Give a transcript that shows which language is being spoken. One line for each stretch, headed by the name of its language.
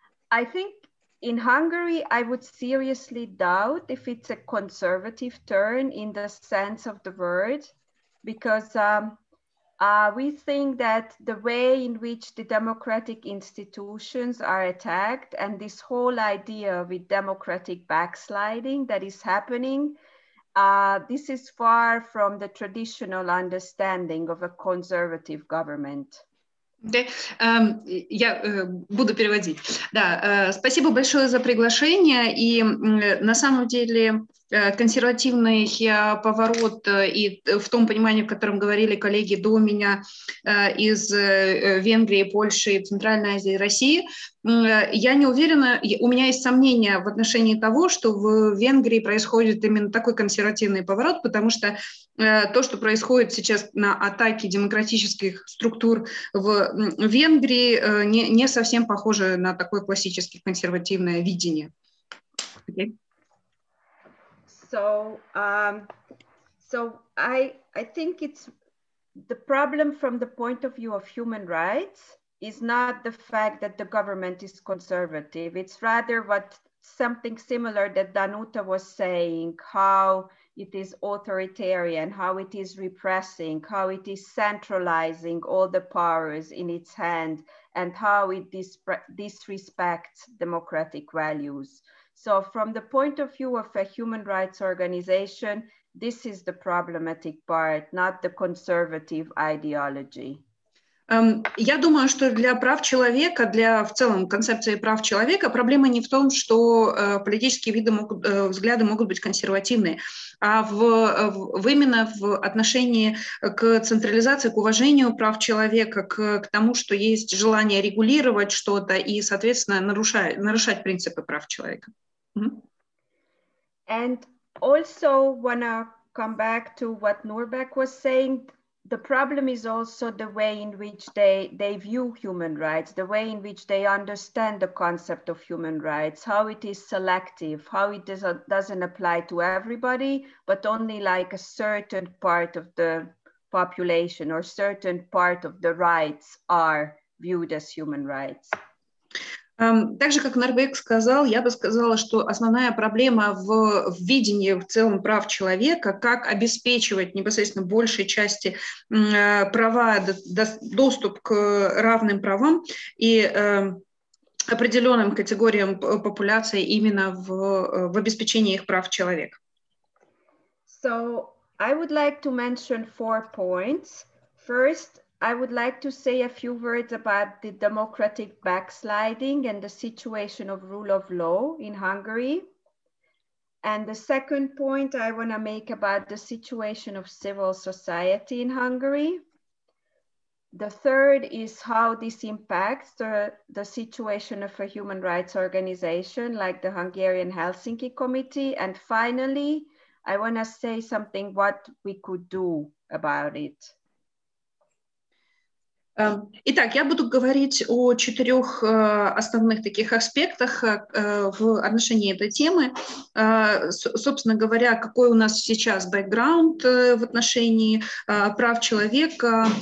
English: I think in Hungary, I would seriously doubt if it's a conservative turn in the sense of the word, because we think that the way in which the democratic institutions are attacked and this whole idea with democratic backsliding that is happening, this is far from the traditional understanding of a conservative government.
Russian: Да, я буду переводить. Да, спасибо большое за приглашение. И на самом деле консервативный поворот и в том понимании, в котором говорили коллеги до меня из Венгрии, Польши, Центральной Азии, России, я не уверена, у меня есть сомнения в отношении того, что в Венгрии происходит именно такой консервативный поворот, потому что то, что происходит сейчас на атаке демократических структур в Венгрии, не совсем похоже на такое классическое консервативное видение.
English: Okay. So, so I think it's the problem from the point of view of human rights is not the fact that the government is conservative. It's rather what something similar that Danuta was saying, how it is authoritarian, how it is repressing, how it is centralizing all the powers in its hand, and how it disrespects democratic values. So from the point of view of a human rights organization, this is the problematic part, not the conservative ideology.
Russian: Я думаю, что для прав человека, для в целом концепции прав человека, проблема не в том, что политические виды могут, взгляды могут быть консервативные, а в именно в отношении к централизации, к уважению прав человека, к тому, что есть желание регулировать что-то и, соответственно, нарушать принципы прав человека.
English: And also wanna come back to what Norbeck was saying. The problem is also the way in which they view human rights, the way in which they understand the concept of human rights, how it is selective, how it doesn't apply to everybody, but only like a certain part of the population or certain part of the rights are viewed as human rights.
Russian: Так же, как Норбек сказал, я бы сказала, что основная проблема в видении в целом прав человека, как обеспечивать непосредственно большей части права, доступ к равным правам и определенным категориям популяции именно в обеспечении их прав человека.
English: So I would like to mention four points. First, I would like to say a few words about the democratic backsliding and the situation of rule of law in Hungary. And the second point I want to make about the situation of civil society in Hungary. The third is how this impacts the situation of a human rights organization like the Hungarian Helsinki Committee. And finally, I want to say something what we could do about it.
Russian: Итак, я буду говорить о четырех основных таких аспектах в отношении этой темы. Собственно говоря, какой у нас сейчас бэкграунд в отношении прав человека.